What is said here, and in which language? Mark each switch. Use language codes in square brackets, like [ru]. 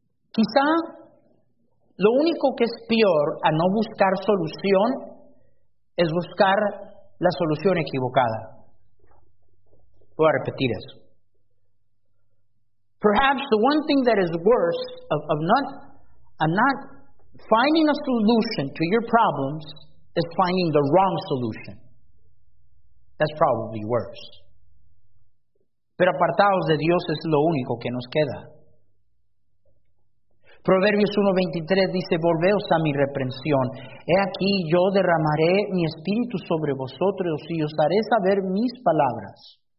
[es] Quizá lo único que es peor a no buscar solución es buscar la solución equivocada. Voy a repetir eso. [en] Perhaps the one thing that is worse of not finding a solution to your problems is finding the wrong solution. That's probably worse. [es] Pero apartados de Dios es lo único que nos queda. Proverbios 1:23 dice, volveos a mi reprensión. He aquí yo derramaré mi espíritu sobre vosotros y os haré saber mis palabras.